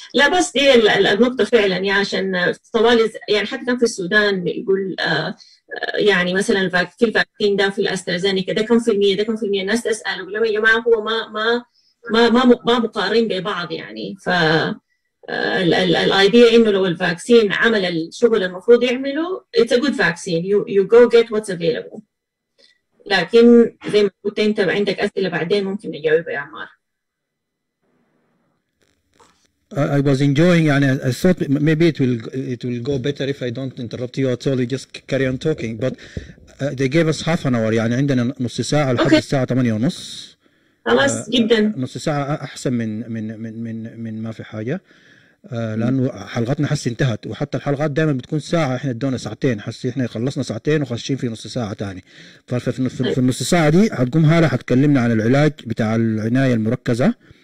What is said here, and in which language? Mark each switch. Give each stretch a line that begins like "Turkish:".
Arabic: لا بس دي النقطة فعلاً يعني عشان طوال يعني حتى كان في السودان يقول يعني مثلا في الفاكسين ده في الاسترازينيكا ده كم في المية ده كم في المية الناس تسأل ولو يا جماعة هو ما ما ما ما ما مقارن ببعض يعني ف الايديا انه لو الفاكسين عمل الشغل المفروض يعمله
English: it's a good vaccine you go get what's available
Arabic: لكن زي ما قلت انت عندك اسئلة بعدين ممكن نجاوبها يا عمار.
English: I was enjoying, and I thought maybe it will go better if I don't interrupt you at all. You just carry on talking. But they gave us half an hour.
Arabic: يعني عندنا نص ساعة لحد الساعة 8:30. خلاص جدا. نص ساعة أحسن من من من من من ما في حاجة. لأنه حلقتنا حس انتهت وحتى الحلقات دائما بتكون ساعة إحنا ادونا ساعتين حس إحنا خلصنا ساعتين وخشين في نص ساعة تاني. ففي النص ساعة دي هتقوم هلا هتكلمنا عن العلاج بتاع العناية المركزة.